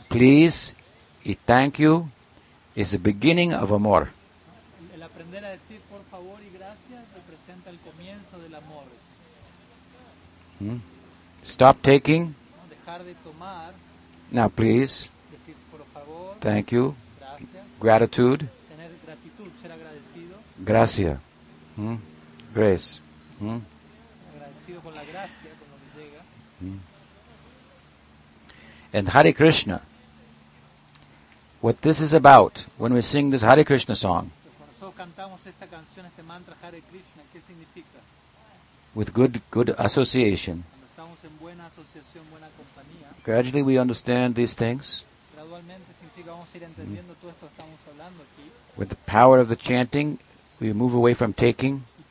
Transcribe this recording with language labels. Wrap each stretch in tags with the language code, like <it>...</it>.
<en>Please y thank you is the beginning of amor.</en> <es>El aprender a decir por favor y gracias representa el comienzo del amor.</es> <en>Stop taking.</en> <es>Dejar de tomar.</es> <en>Now, please.</en> <es>Decir por favor.</es> <en>Thank you.</en> <es>Gracias.</es> <en>Gratitude.</en> <es>Tener gratitud, ser agradecido. Gracias. Grace. Agradecido con la gracia cuando me llega.</es> <en>And Hare Krishna. What this is about, when we sing this Hare Krishna song.</en> <es>Cuando nosotros cantamos esta canción, este mantra Hare Krishna, ¿qué significa?</es> <en>With good association.</en> <es>Cuando estamos en buena asociación, buena compañía.</es> <en>Gradually we understand these things.</en> <es>Gradualmente significa vamos a ir entendiendo todo esto que estamos hablando aquí.</es> <en>With the power of the chanting, we move away from taking.</en>